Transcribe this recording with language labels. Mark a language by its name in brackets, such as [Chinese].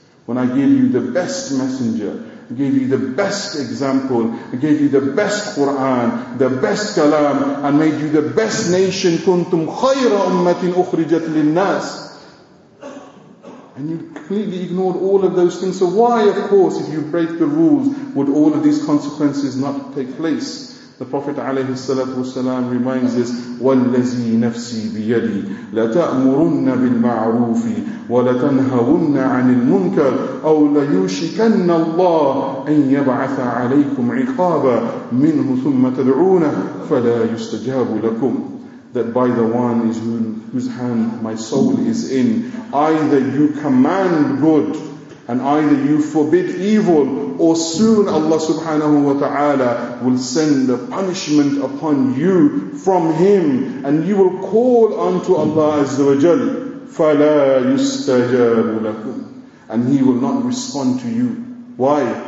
[English] When I gave you the best messenger, I gave you the best example, I gave you the best Quran, the best kalam, and made you the best nation, [Arabic] كُنْتُمْ خَيْرَ أُمَّةٍ أُخْرِجَتْ لِلنَّاسِ. [English] And you completely ignored all of those things. So why, of course, if you break the rules, would all of these consequences not take place? The Prophet alayhi salatu wasalam reminds us, [Arabic] وَالَّذِي نَفْسِي بِيَدِي لَتَأْمُرُنَّ بِالْمَعْرُوفِ وَلَتَنْهَوُنَّ عَنِ الْمُنْكَرِ أَوْ لَيُوشِكَنَّ اللَّهِ أَنْ يَبْعَثَ عَلَيْكُمْ عِقَابًا مِّنْهُ ثُمَّ تَدْعُونَهُ فَلَا يُسْتَجَابُ لَكُمْ. [English] That by the one is whose hand my soul is in, either you command good, and either you forbid evil, or soon Allah subhanahu wa ta'ala will send the punishment upon you from Him, and you will call unto Allah azza wa jal, [Arabic] فَلَا يُسْتَجَابُ لَكُمْ, [English] and He will not respond to you. Why?